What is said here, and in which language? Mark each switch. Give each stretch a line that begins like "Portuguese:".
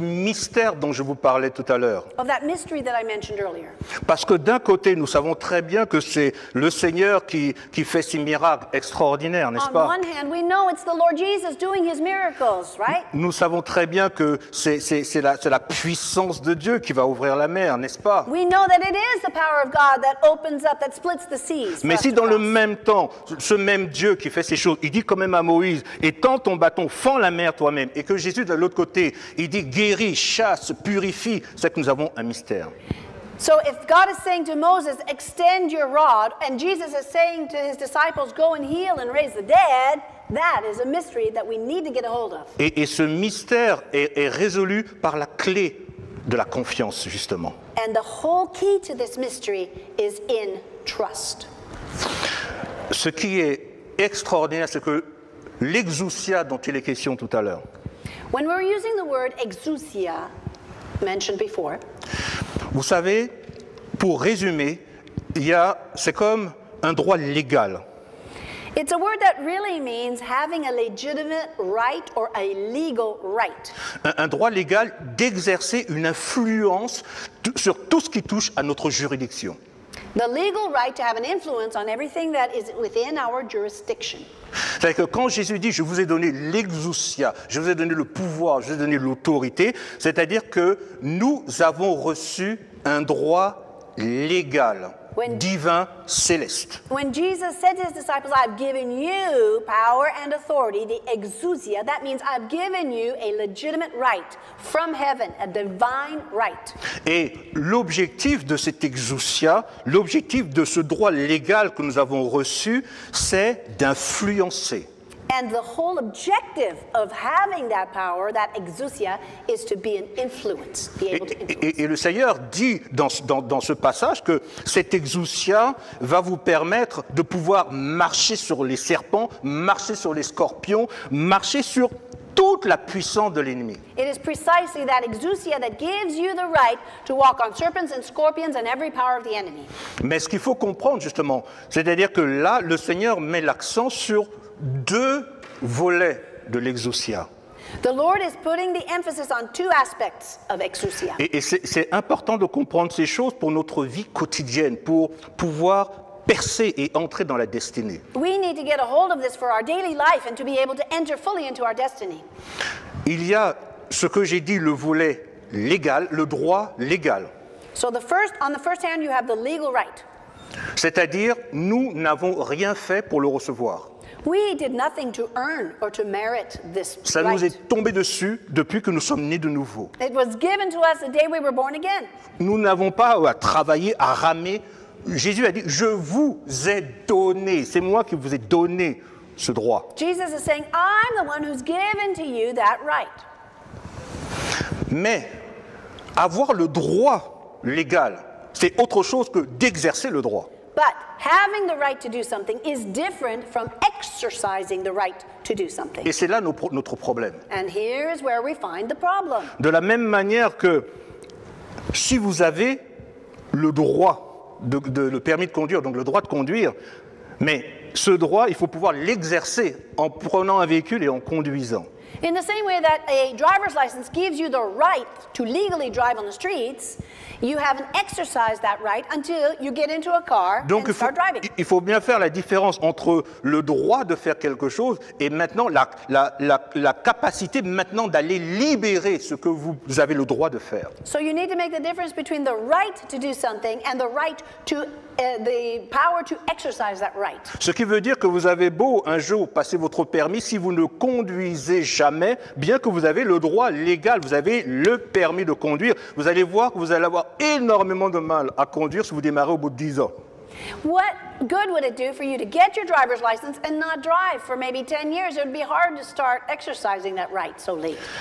French: mystère dont je vous parlais tout à l'heure.
English: Of that mystery that I mentioned earlier.
French: Parce que d'un côté, nous savons très bien que c'est le Seigneur qui fait ces miracles extraordinaires, n'est-ce pas ?
English: On one hand, we know it's the Lord Jesus doing his miracles, right?
French: Nous savons très bien que c'est la puissance de Dieu qui va ouvrir la mer, n'est-ce pas ?
English: We know that it is the power of God that opens up, that splits the seas.
French: Mais si dans le même temps, ce même Dieu qui fait ces choses, il dit quand même à Moïse, étends ton bâton, fends la mer toi-même, et que Jésus de l'autre côté, il dit guéris, chasse, purifie, c'est que nous avons un mystère.
English: So if God is saying to Moses, extend your rod, and Jesus is saying to his disciples, go and heal and raise the dead, that is a mystery that we need to get a hold of.
French: Et ce mystère est résolu par la clé de la confiance, justement.
English: And the whole key to this mystery is in trust.
French: Ce qui est extraordinaire, c'est que l'exousia dont il est question tout à l'heure,
English: when we're using the word exousia, mentioned before.
French: Vous savez, pour résumer, c'est comme un droit légal.
English: It's a word that really means having a legitimate right or a legal right.
French: Un droit légal d'exercer une influence sur tout ce qui touche à notre juridiction.
English: The legal right to have an influence on everything that is within our jurisdiction.
French: C'est-à-dire que quand Jésus dit « je vous ai donné l'exousia, je vous ai donné le pouvoir, je vous ai donné l'autorité », c'est-à-dire que nous avons reçu un droit légal, divin, céleste.
English: When Jesus said to his disciples, I've given you power and authority, the exousia, that means I've given you a legitimate right from heaven, a divine right.
French: Et l'objectif de cet exousia, l'objectif de ce droit légal que nous avons reçu, c'est d'influencer.
English: And the whole objective of having that power, that exousia, is to be an influence, be able to influence.
French: Et le Seigneur dit dans ce passage que cette exousia va vous permettre de pouvoir marcher sur les serpents, marcher sur les scorpions, marcher sur toute la puissance de l'ennemi.
English: It is precisely that exousia that gives you the right to walk on serpents and scorpions and every power of the enemy.
French: Mais ce qu'il faut comprendre justement, c'est-à-dire que là, le Seigneur met l'accent sur deux volets de l'exousia.
English: The Lord is putting the emphasis on two aspects of exousia.
French: Et c'est important de comprendre ces choses pour notre vie quotidienne, pour pouvoir percer et entrer dans la destinée.
English: We need to get a hold of this for our daily life and to be able to enter fully into our destiny.
French: Il y a ce que j'ai dit, le volet légal, le droit légal.
English: So the first, on the first hand, you have the legal right.
French: C'est-à-dire, nous n'avons rien fait pour le recevoir.
English: We did nothing to earn or to merit this
French: Ça
English: right.
French: nous est tombé dessus depuis que nous sommes nés de nouveau.
English: It was given to us the day we were born again.
French: Nous n'avons pas à travailler, à ramer. Jésus a dit, je vous ai donné, c'est moi qui vous ai donné ce droit.
English: Jesus is saying, I'm the one who's given to you that right.
French: Mais avoir le droit légal, c'est autre chose que d'exercer le droit.
English: But having the right to do something is different from exercising the right to do something.
French: Et c'est là notre problème.
English: And here is where we find the problem.
French: De la même manière que si vous avez le droit le permis de conduire, donc le droit de conduire, mais ce droit, il faut pouvoir l'exercer en prenant un véhicule et en conduisant.
English: In the same way that a driver's license gives you the right to legally drive on the streets, you haven't exercised that right until you get into a car
French: Donc
English: and start driving.
French: Il faut bien faire la différence entre le droit de faire quelque chose et maintenant la capacité maintenant d'aller libérer ce que vous avez le droit de faire.
English: So you need to make the difference between the right to do something and the right to the power to exercise that right.
French: Ce qui veut dire que vous avez beau un jour passer votre permis si vous ne conduisez jamais, bien que vous avez le droit légal, vous avez le permis de conduire, vous allez voir que vous allez avoir énormément de mal à conduire si vous démarrez au bout de 10 ans.
English: What good would it do for you to get your driver's license and not drive for maybe 10 years? It would be hard to start exercising that right so late.